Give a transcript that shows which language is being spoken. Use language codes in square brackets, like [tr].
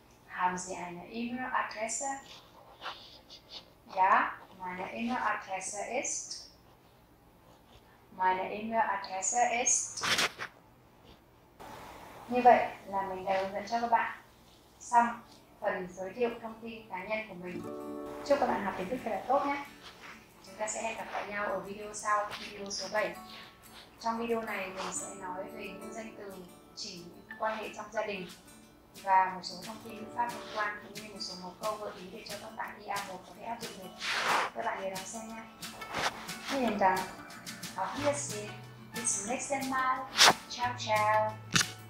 [de] Haben Sie eine E-Mail-Adresse? Ja, meine E-Mail-Adresse ist. Meine E-Mail-Adresse ist. [vi] Như vậy là mình đã hướng dẫn cho các bạn xong phần giới thiệu thông tin cá nhân của mình. Chúc các bạn học kiến thức thật là tốt nhé. Chúng ta sẽ hẹn gặp lại nhau ở video sau, video số 7. Trong video này mình sẽ nói về những danh từ chỉ quan hệ trong gia đình và một số thông tin ngữ pháp liên quan, cũng như một số một câu gợi ý để cho các bạn đi A1 có thể áp dụng được. Các bạn nhớ đón xem nha. [de] Vielen Dank. Auf Wiedersehen. Bis zum nächsten Mal. Ciao ciao.